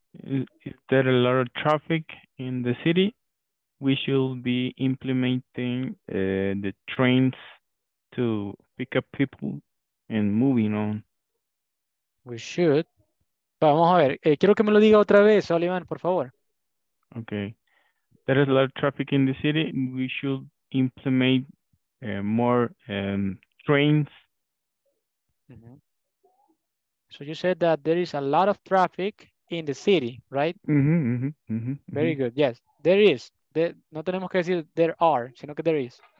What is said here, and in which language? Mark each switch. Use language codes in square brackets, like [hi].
[en] Is there a lot of traffic in the city? We should be implementing the trains to pick up people. And moving on. We should. [es] Vamos a ver. Quiero que me lo diga otra vez, Sullivan, por favor. [en] Okay. There is a lot of traffic in the city. We should implement more trains. Mm-hmm. So you said that there is a lot of traffic in the city, right? Mm-hmm, mm-hmm, mm-hmm, very good. Yes. There is. [es] No tenemos que decir [en] there are, [es] sino que [en] there is.